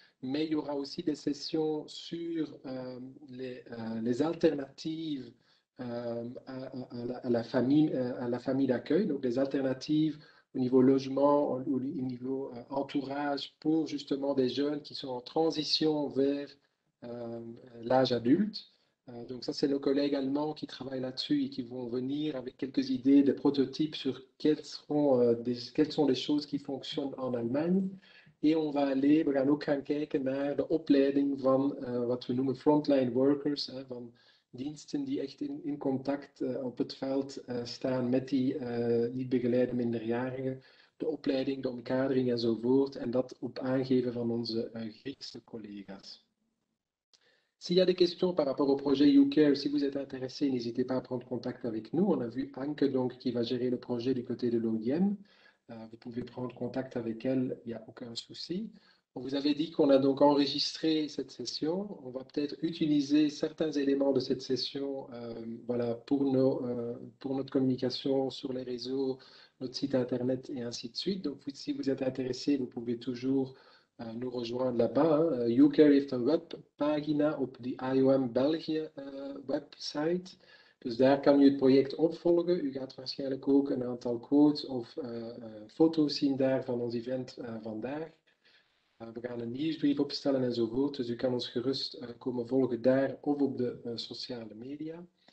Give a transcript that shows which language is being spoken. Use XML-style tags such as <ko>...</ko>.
<fr>Mais il y aura aussi des sessions sur les alternatives à la famille d'accueil, donc des alternatives au niveau logement, au niveau entourage pour justement des jeunes qui sont en transition vers l'âge adulte. Donc ça, c'est nos collègues allemands qui travaillent là-dessus et qui vont venir avec quelques idées, des prototypes sur quelles sont les choses qui fonctionnent en Allemagne. Et on va aller,</fr> <nl>we gaan ook gaan kijken naar de opleiding van wat we noemen frontline workers, hein, van diensten die echt in contact op het veld staan met die niet begeleide minderjarigen. De opleiding, de omkadering enzovoort. En dat op aangeven van onze Griekse collega's.</nl> <fr>S'il y a des questions par rapport au projet UCARE, si vous êtes intéressé, n'hésitez pas à prendre contact avec nous. On a vu Anke donc qui va gérer le projet du côté de l'OIM. Vous pouvez prendre contact avec elle, il n'y a aucun souci. On vous avait dit qu'on a donc enregistré cette session. On va peut-être utiliser certains éléments de cette session pour notre communication sur les réseaux, notre site internet et ainsi de suite. Donc si vous êtes intéressé, vous pouvez toujours nous rejoindre là-bas.</fr> <nl>YouCare heeft een webpagina op de IOM België website. Dus daar kan u het project opvolgen. U gaat waarschijnlijk ook een aantal quotes of foto's zien daar van ons event vandaag. We gaan een nieuwsbrief opstellen enzovoort. Dus u kan ons gerust komen volgen daar of op de sociale media.</nl>